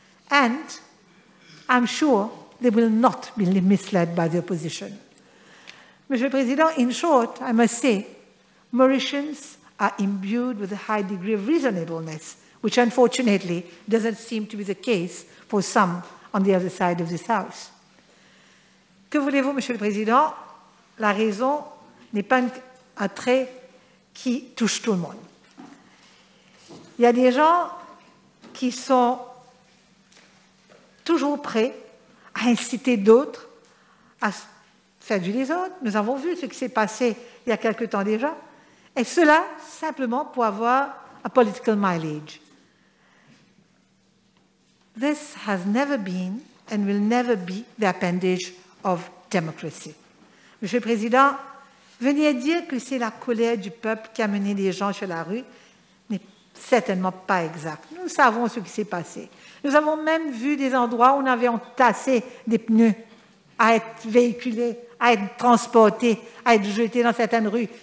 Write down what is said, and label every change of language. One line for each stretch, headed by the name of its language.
English: And I'm sure they will not be misled by the opposition.
French: Monsieur le Président,
English: in short, I must say, Mauritians are imbued with a high degree of reasonableness, which unfortunately doesn't seem to be the case for some on the other side of this house.
French: Que voulez-vous, Monsieur le Président? La raison n'est pas un trait qui touche tout le monde. Il y a des gens qui sont toujours prêts à inciter d'autres à faire du désordre. Nous avons vu ce qui s'est passé il y a quelque temps déjà. Et cela, simplement pour avoir un
English: political mileage. This has never been and will never be the appendage of democracy.
French: Monsieur le Président, venir dire que c'est la colère du peuple qui a mené les gens sur la rue n'est certainement pas exact. Nous savons ce qui s'est passé. Nous avons même vu des endroits où on avait entassé des pneus à être véhiculés, à être transportés, à être jetés dans certaines rues.